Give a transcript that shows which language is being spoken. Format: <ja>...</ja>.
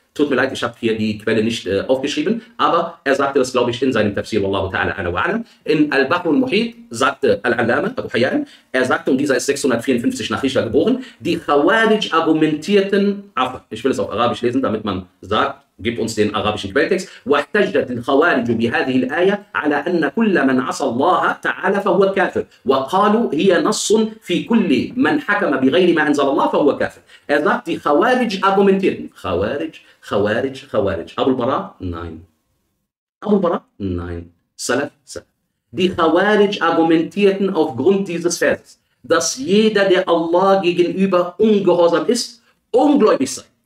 <de>Tut mir leid, ich habe hier die Quelle nicht aufgeschrieben, aber er sagte das, glaube ich, in seinem Tafsir, wallahu ta'ala ala wa'alam. In Al-Bahrul Muhit sagte Al-Allama, Abu Hayyan, er sagte, und dieser ist 654 nach Hijra geboren, die Khawarij argumentierten, ich will es auf Arabisch lesen, damit man sagt, gib uns den arabischen Quelltext.</de> <ar>واحتجت الخوارج بهذه الآية على أن كل من عصى الله تعالى فهو كافر. وقالوا هي نص في كل من حكم بغير ما أنزل الله فهو كافر.</ar> <de>Er sagt, die Khawarij argumentieren. Khawarij, Khawarij, Khawarij. Abu al-Bara? Nein. Abu al-Bara? Nein. Salaf? Salaf. Die Khawarij argumentierten aufgrund dieses Verses, dass jeder, der Allah gegenüber ungehorsam ist, ungläubig sei.</de>